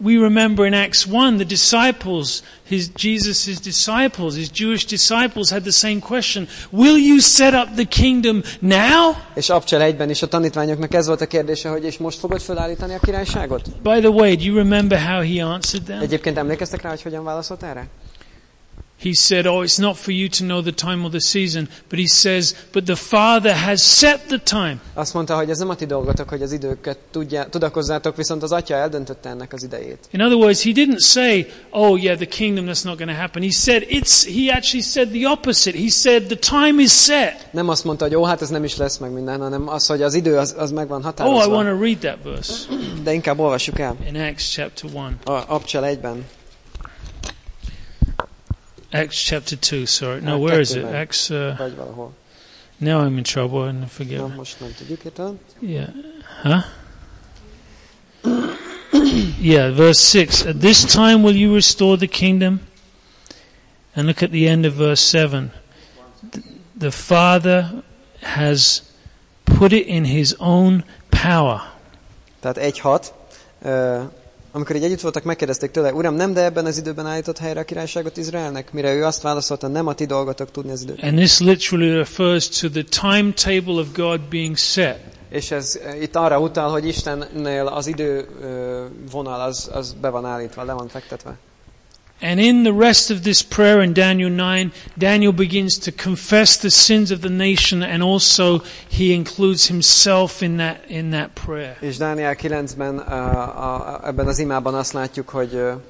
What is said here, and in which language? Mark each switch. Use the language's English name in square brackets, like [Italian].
[English] We remember in Acts 1 the disciples, Jesus' disciples, his Jewish disciples had the same question. Will you set up the kingdom now? [Hungarian] És Apcsel 1-ben is a tanítványoknak ez volt a kérdése, hogy és most fogod felállítani a királyságot? [English] By the way, do you remember how he answered them? [Hungarian] Egyébként emlékeztek rá, hogy hogyan válaszolt erre? [English] He said, oh, it's not for you to know the time or the season, but he says, but the Father has set the time. [Hungarian] Azt mondta, hogy ez nem a ti dolgotok, hogy az időket tudakozzátok, viszont az Atya eldöntötte ennek az idejét. [English] In other words, he didn't say, oh yeah, the kingdom, that's not going to happen. He actually said the opposite. He said, the time is set. [Hungarian] Nem azt mondta, hogy hát ez nem is lesz meg minden, hanem az, hogy az idő az megvan határozva. [English] Oh, I want to read that verse. [Hungarian] De inkább olvassuk el. [English] In Acts chapter 1. [Hungarian] Apcsel 1-ben. [English] Acts chapter 2, sorry. No, where is it? Acts, now I'm in trouble, and forget. Yeah, verse 6. At this time will you restore the kingdom? And look at the end of verse 7. The Father has put it in his own power. [Hungarian] Tehát 1:6. Amikor így együtt voltak, megkérdezték tőle, Uram, nem, de ebben az időben állított helyre a királyságot Izraelnek? Mire ő azt válaszolta, nem a ti dolgotok tudni az időt. [English] And this literally refers to the timetable of God being set. [Hungarian] És ez itt arra utal, hogy Istennél az idő vonal az be van állítva, le van fektetve. [English] And in the rest of this prayer in Daniel 9, Daniel begins to confess the sins of the nation, and also he includes himself in that prayer. [Hungarian] És Dániel 9-ben ebben az imában azt látjuk, hogy